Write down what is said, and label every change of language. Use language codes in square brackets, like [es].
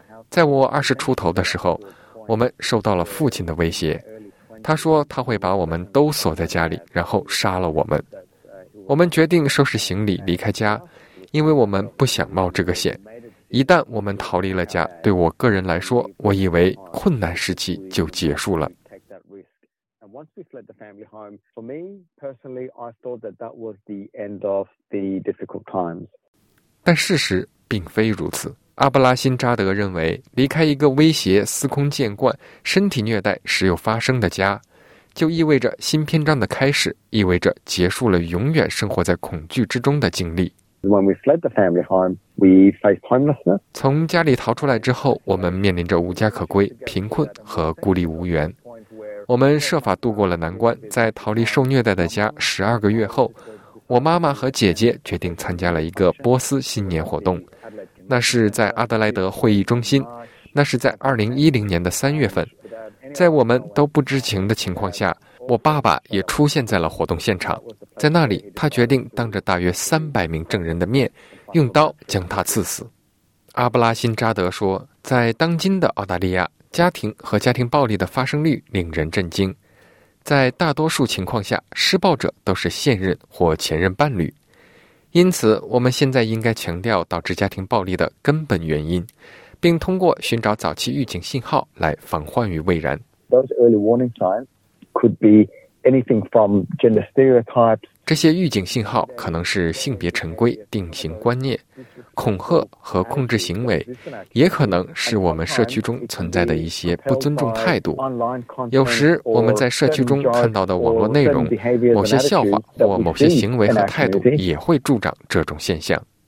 [zh] 在我二十出头的时候，我们受到了父亲的威胁，他说他会把我们都锁在家里，然后杀了我们。我们决定收拾行李离开家，因为我们不想冒这个险。一旦我们逃离了家，对我个人来说，我以为困难时期就结束了。 [en] Once we fled the family home, for me personally, I thought that that was the end of the difficult times. [zh] 但事实并非如此。阿布拉辛扎德认为，离开一个威胁司空见惯、身体虐待时有发生的家，就意味着新篇章的开始，意味着结束了永远生活在恐惧之中的经历。 [en] When we fled the family home, we faced homelessness. [zh] 从家里逃出来之后，我们面临着无家可归、贫困和孤立无援。我们设法度过了难关，在逃离受虐待的家12个月后，我妈妈和姐姐决定参加了一个波斯新年活动。那是在阿德莱德会议中心，那是在2010年的3月份。在我们都不知情的情况下，我爸爸也出现在了活动现场。在那里，他决定当着大约300名证人的面，用刀将他刺死。阿布拉辛扎德说，在当今的澳大利亚，家庭和家庭暴力的发生率令人震惊。在大多数情况下，施暴者都是现任或前任伴侣。因此，我们现在应该强调导致家庭暴力的根本原因，并通过寻找早期预警信号来防患于未然。 [en] Those early warning signs could be anything from gender stereotypes. [zh] 这些预警信号可能是性别陈规、定型观念、恐吓和控制行为，也可能是我们社区中存在的一些不尊重态度。有时我们在社区中看到的网络内容、某些笑话或某些行为和态度也会助长这种现象。